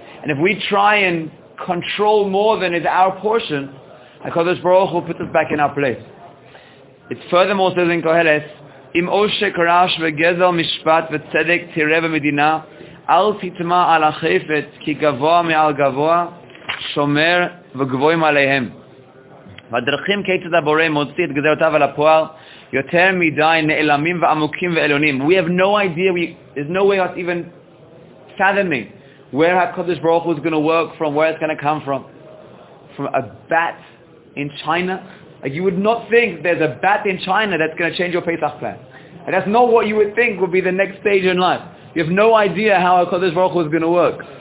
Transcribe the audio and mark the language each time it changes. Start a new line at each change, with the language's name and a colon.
English: And if we try and control more than is our portion, HaKadosh Baruch Hu puts us back in our place.
Hebrew: It's furthermore says in Koheles, Im oshek rash v'gezel mishpat v'tzedek tireh v'medina, אל תטמע על החפץ כי גבוה מעל גבוה שומר וגבוהים עליהם. והדרכים כיצד הבורא מוציא את גזרותיו על הפועל יותר מדי נעלמים ועמוקים ועליונים.
English: We have no idea, there's no way of even fathoming where HaKadosh Baruch Hu is going to work from, where it's going to come from. From a bat in China? Like you would not think there's a bat in China that's going to change your Pesach plan. And that's not what you would think would be the next stage in life. You have no idea how HaKadosh Baruch Hu is going to work.